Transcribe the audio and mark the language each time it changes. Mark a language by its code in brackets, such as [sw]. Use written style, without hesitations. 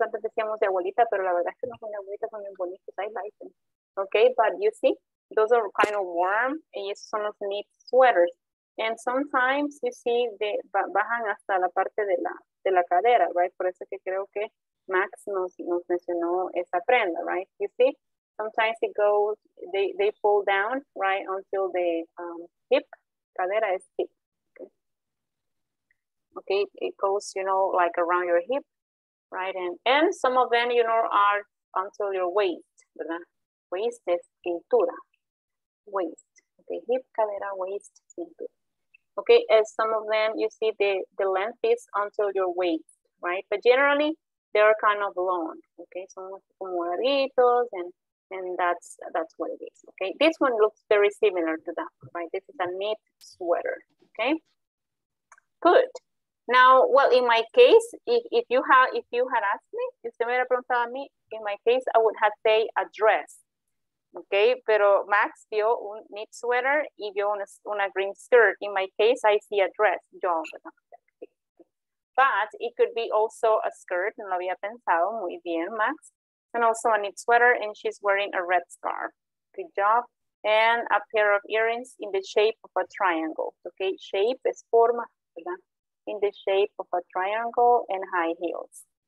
[es] Antes decíamos de abuelita, pero la verdad es que no son de abuelita, son bien bonitos. [en] I like them. Okay, but you see, those are kind of warm, [es] y esos son los knit sweaters. [en] And sometimes you see they [es] bajan hasta la parte de la cadera, [en] right? [es] Por eso que creo que Max nos mencionó esa prenda, right? [en] You see, sometimes it goes, they pull down, right, until the hip, cadera is hip. Okay, it goes, you know, like around your hip, right? And some of them, you know, are until your waist, ¿verdad? [es] Waist es cintura, waist. Okay, hip, cadera, waist, cintura. [en] Okay, as some of them, you see the length is until your waist, right? But generally, they are kind of long, okay? [es] Son como larguitos, [en] and that's what it is, okay? This one looks very similar to that, right? This is a knit sweater, okay? Good. Now, well, in my case, if you had asked me, [es] si usted me hubiera preguntado a mí, [en] in my case, I would have said a dress. [es] Okay, pero Max vio un knit sweater y vio una green skirt. [en] In my case, I see a dress. Yo, but it could be also a skirt. [es] No lo había pensado muy bien, [en] Max. And also a knit sweater, and she's wearing a red scarf. Good job. And a pair of earrings in the shape of a triangle. Okay, shape [es] es forma, ¿verdad? [en] In the shape of a triangle and high heels.